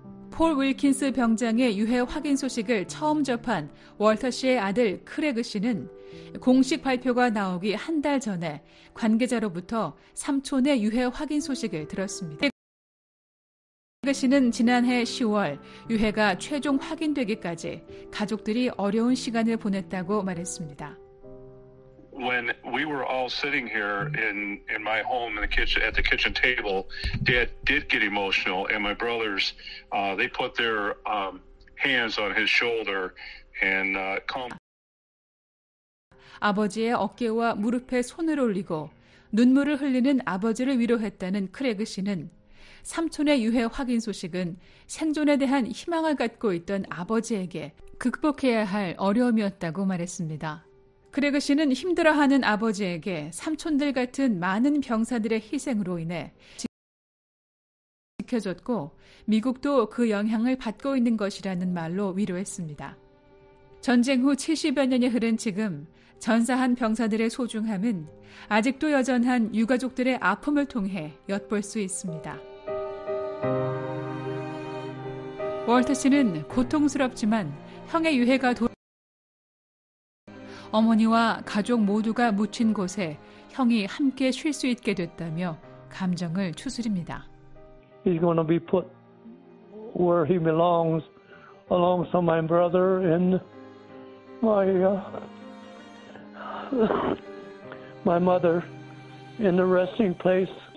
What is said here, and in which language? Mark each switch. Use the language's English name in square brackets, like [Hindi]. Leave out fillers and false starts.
[Korean] 폴 윌킨스 병장의 유해 확인 소식을 처음 접한 월터 씨의 아들 크레그 씨는 공식 발표가 나오기 한 달 전에 관계자로부터 삼촌의 유해 확인 소식을 들었습니다. 크레그 씨는 지난해 10월 유해가 최종 확인되기까지 가족들이 어려운 시간을 보냈다고 말했습니다. [English] When we were all sitting here in my home in the kitchen at the kitchen table, Dad did get emotional, and my brothers, they put their hands on his shoulder and calmed. [Korean] 아버지의 어깨와 무릎에 손을 올리고 눈물을 흘리는 아버지를 위로했다는 크레그 씨는. 삼촌의 유해 확인 소식은 생존에 대한 희망을 갖고 있던 아버지에게 극복해야 할 어려움이었다고 말했습니다. 크레그 씨는 힘들어하는 아버지에게 삼촌들 같은 많은 병사들의 희생으로 인해 지켜줬고 미국도 그 영향을 받고 있는 것이라는 말로 위로했습니다. 전쟁 후 70여 년이 흐른 지금 전사한 병사들의 소중함은 아직도 여전한 유가족들의 아픔을 통해 엿볼 수 있습니다. 월터 씨는 고통스럽지만 형의 유해가 어머니와 가족 모두가 묻힌 곳에 형이 함께 쉴 수 있게 됐다며 감정을 추스립니다. [English] He's going to be put where he belongs, alongside my brother and my mother in the resting place.